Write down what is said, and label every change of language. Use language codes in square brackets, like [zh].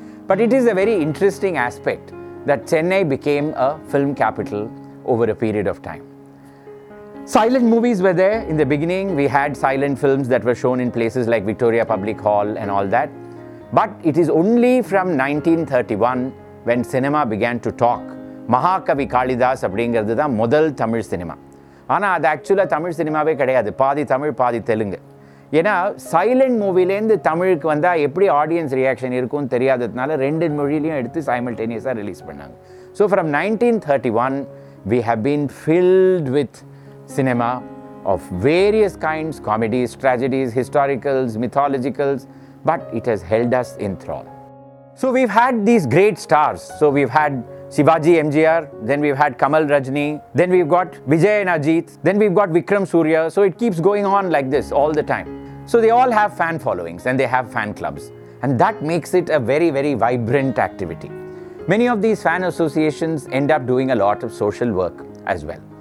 [en] But it is a very interesting aspect that Chennai became a film capital over a period of time. Silent movies were there in the beginning. We had silent films that were shown in places like Victoria Public Hall and all that. But it is only from 1931 when cinema began to talk. [ta] Mahakavi Kalidas abdingiradhu da modal Tamil cinema. ஆனால் அது ஆக்சுவலாக தமிழ் சினிமாவே கிடையாது, பாதி தமிழ் பாதி தெலுங்கு. ஏன்னா silent மூவிலேருந்து தமிழுக்கு வந்தால் எப்படி ஆடியன்ஸ் ரியாக்ஷன் இருக்கும்னு தெரியாததுனால ரெண்டு மொழியிலையும் எடுத்து சைமல்டேனியஸாக ரிலீஸ் பண்ணாங்க. [en] So from 1931 we have been filled with cinema of various kinds, comedies, tragedies, historicals, mythologicals, but it has held us in thrall. So we've had these great stars. So we've had Shivaji MGR, then we've had Kamal Rajni, then we've got Vijay and Ajit, then we've got Vikram Surya. So it keeps going on like this all the time. So they all have fan followings and they have fan clubs. And that makes it a very, very vibrant activity. Many of these fan associations end up doing a lot of social work as well.